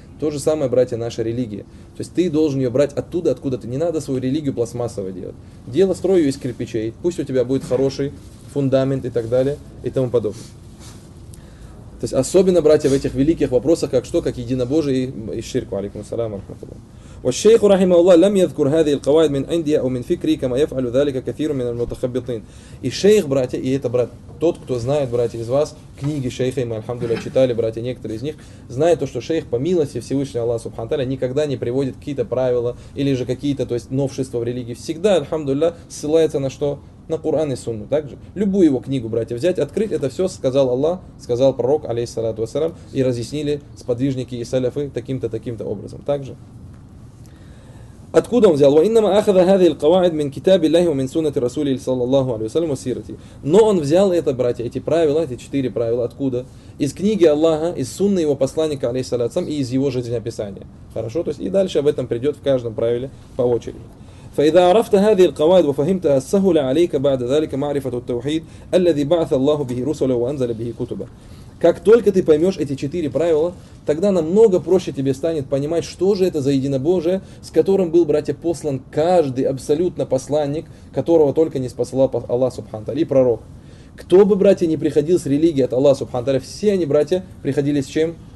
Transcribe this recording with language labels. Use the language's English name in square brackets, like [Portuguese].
[Russian] То же самое, братья, наша религия. То есть ты должен ее брать оттуда, откуда ты. Не надо свою религию пластмассовой делать. Дело, строю ее из кирпичей, пусть у тебя будет хороший фундамент и так далее и тому подобное. То есть особенно, братья, в этих великих вопросах, как что, как единобожие и ширку. Алейкум ассалям ва рахматуллах. [Arabic] والشيخ رحمه الله لم يذكر هذه القواعد من عندي او من فكري كما يفعل ذلك كثير من المتخبطين. [Russian] И шейх, братья, и это, брат, тот, кто знает, братья, из вас книги шейха, и мы, альхамдулиллах, читали, братья, некоторые из них, знает то, что шейх по милости Всевышнего Аллаха субхана тааля никогда не приводит какие-то правила или же какие-то, то есть, новшества в религии, всегда, альхамдулиллах, ссылается на что? На Коран и Сунну. Также любую его книгу, братья, взять, открыть, это все сказал Аллах, сказал пророк, алейхиссалату вассалям, и разъяснили сподвижники и саляфы таким-то образом. Также откуда он взял? [Arabic] وَإِنَّمَا أَخَذَ هَذِهِ الْقَوَاعِدِ مِنْ كِتَابِ اللَّهِ وَمِنْ سُنَّةِ رَسُولِهِ صَلَّى اللَّهُ عَلَيْهِ وَسَلَّمَ وَسِيرَتِهِ. [Russian] Но он взял это, братья, эти правила, эти четыре правила, откуда? Из книги Аллаха, из сунны его посланника, алейхиссалям, и из его жизнеописания. Хорошо? То есть и дальше об этом придет в каждом правиле по очереди. [Arabic] فإذا عرفت هذه القواعد وفهمتها سهل عليك بعد ذلك معرفة التوحيد الذي بعث الله به رسله وأنزل به كتبه. [Russian] Как только ты поймешь эти четыре правила, тогда намного проще тебе станет понимать, что же это за единобожие, с которым был, братья, послан каждый абсолютно посланник, которого только не спасал Аллах Субхан-Тааля, и пророк. Кто бы, братья, не приходил с религии от Аллаха Субхан-Тааля, все они, братья, приходили с чем?